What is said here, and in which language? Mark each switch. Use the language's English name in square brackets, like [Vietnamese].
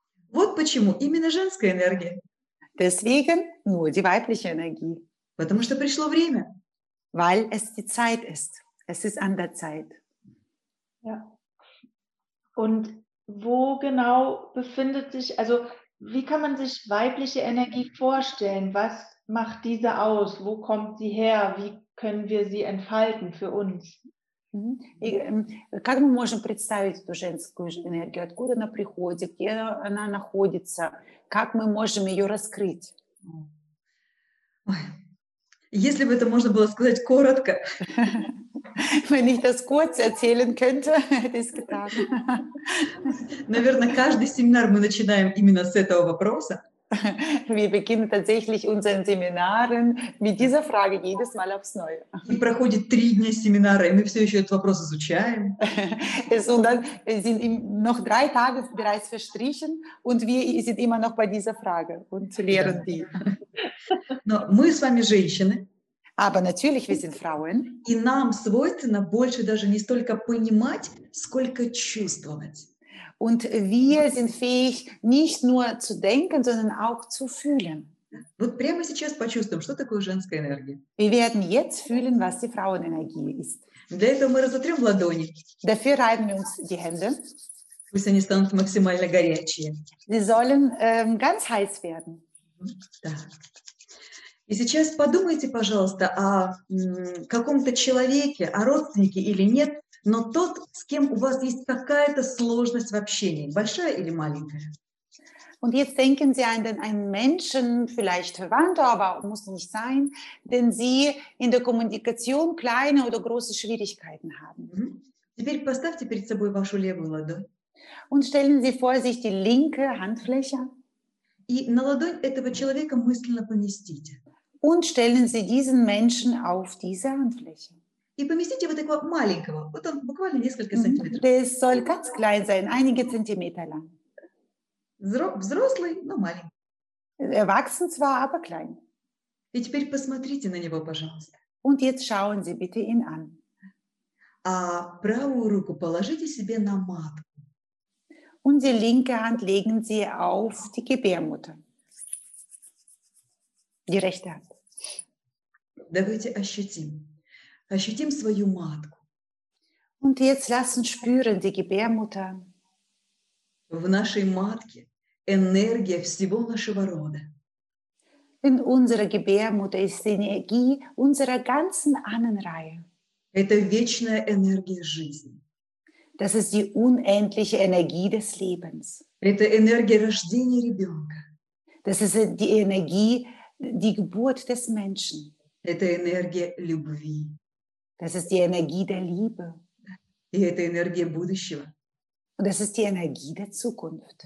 [Russian] Вот почему именно женская энергия. [German] Deswegen nur die weibliche Energie. [Russian] Потому что пришло время. [German] Weil es die Zeit ist. Es ist an der Zeit. Ja. Und wo genau befindet sich, also wie kann man sich weibliche Energie vorstellen? Was macht diese aus? Wo kommt sie her? Wie können wir sie entfalten für uns? [Russian] Как мы можем представить эту женскую энергию? Откуда она приходит? Где она находится? Как мы можем ее раскрыть? Если бы это можно было сказать коротко. [German] Wenn ich das kurz erzählen könnte, hätte ich es getan. [Russian] Наверное, каждый семинар мы начинаем именно с этого вопроса. [German] Wir beginnen tatsächlich unseren Seminaren mit dieser Frage jedes Mal aufs Neue. [Russian] И проходит три дня семинара, и мы все еще этот вопрос изучаем. [German] Und dann sind noch drei Tage bereits verstrichen und wir sind immer noch bei dieser Frage und lehren die. [Russian] Но мы с вами женщины. [German] Aber natürlich, wir sind Frauen. [Russian] И нам свойственно больше даже не столько понимать, сколько чувствовать. [German] Und wir sind fähig, nicht nur zu denken, sondern auch zu fühlen. [Russian] Вот прямо сейчас почувствуем, что такое женская энергия. [German] Wir werden jetzt fühlen, was die Frauenenergie ist. [Russian] Для этого мы разотрем ладони. [German] Dafür reiben wir uns die Hände. [Russian] Пусть они станут максимально горячие. [German] Sie sollen ganz heiß werden. [Russian] Да. И сейчас подумайте, пожалуйста, о каком-то человеке, о родственнике или нет, но тот, с кем у вас есть какая-то сложность в общении, большая или маленькая. [German] Und jetzt denken Sie an einen Menschen, vielleicht Verwandter, aber muss nicht sein, den Sie in der Kommunikation kleine oder große Schwierigkeiten haben. [Russian] Теперь поставьте перед собой вашу левую ладонь. [German] Und stellen Sie vor sich die linke Handfläche. [Russian] И на ладонь этого человека мысленно поместите. [German] Und stellen Sie diesen Menschen auf diese Handfläche. [Russian] И поместите вот такого маленького, вот он буквально несколько сантиметров. [German] Der soll ganz klein sein, einige Zentimeter lang. [Russian] Взрослый, но маленький. [German] Erwachsen zwar, aber klein. [Russian] И теперь посмотрите на него, пожалуйста. [German] Und jetzt schauen Sie bitte ihn an. [Russian] А правую руку положите себе на матку. [German] Und die linke Hand legen Sie auf die Gebärmutter. Die rechte Hand. [Russian] Давайте ощутим. Ощутим свою матку. [German] Und jetzt lass uns spüren die Gebärmutter. [Russian] В нашей матке энергия всего нашего рода. [German] In unserer Gebärmutter ist die Energie unserer ganzen Ahnenreihe. [Russian] Это вечная энергия жизни. [German] Das ist die unendliche Energie des Lebens. [Russian] Это энергия рождения ребенка. [German] Das ist die Energie, die Geburt des Menschen. [Russian] Это энергия любви. [German] Das ist die Energie der Liebe. [Russian] И это энергия будущего. [German] Und das ist die Energie der Zukunft.